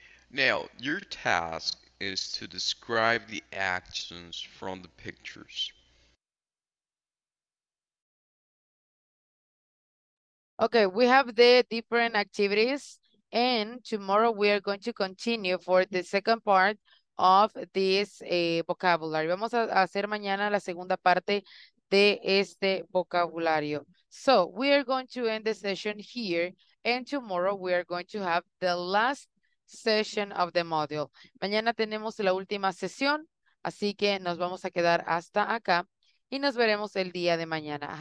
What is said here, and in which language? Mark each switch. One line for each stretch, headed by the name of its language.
English: Now, your task is to describe the actions from the pictures. Okay, we have the different activities, and tomorrow we are going to continue for the second part of this vocabulary.
Spanish: Vamos a hacer mañana la segunda parte de este vocabulario.
English: So, we are going to end the session here, and tomorrow we are going to have the last session of the module.
Spanish: Mañana tenemos la última sesión, así que nos vamos a quedar hasta acá y nos veremos el día de mañana.